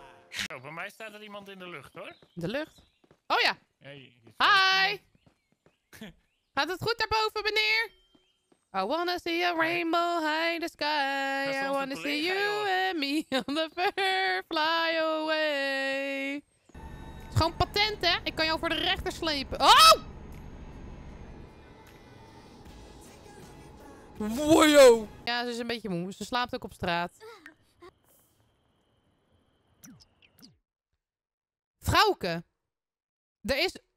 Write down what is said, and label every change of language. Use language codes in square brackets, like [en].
[nl] Zo, bij mij staat er iemand in de lucht, hoor. De lucht? Oh ja! Hey, hi! Gaat het goed daarboven, meneer? [en] I wanna see a rainbow high in the sky. I wanna see you and me on the fur fly away. [nl] Het is gewoon patent, hè? Ik kan jou voor de rechter slepen. Oh! Wow. Ja, ze is een beetje moe. Ze slaapt ook op straat. Vrouwke. Er is...